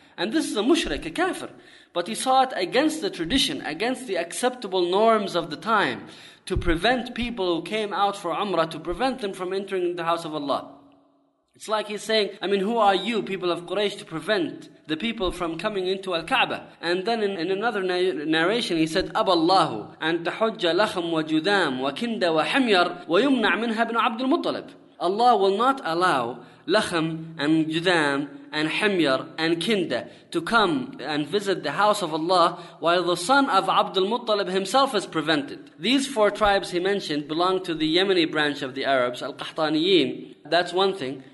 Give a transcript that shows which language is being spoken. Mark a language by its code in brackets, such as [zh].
[en] And this is a mushrik, a kafir. But he saw it against the tradition, against the acceptable norms of the time, to prevent people who came out for Umrah, to prevent them from entering the house of Allah. It's like he's saying, I mean, who are you, people of Quraysh, to prevent the people from coming into Al-Kaaba? And then in another narration, he said, [ar] أَبَاللَّهُ أَن تَحُجَّ لَخَمْ وَجُدَامْ وَكِنْدَ وَحَمْيَرْ وَيُمْنَعْ مِنْهَا بْنُ عَبْدُ الْمُطَلِبِ. [en] Allah will not allow Lakhm and Judam and Himyar and Kinda to come and visit the house of Allah while the son of Abdul Muttalib himself is prevented. These four tribes he mentioned belong to the Yemeni branch of the Arabs, Al-Qahtaniyin. That's one thing.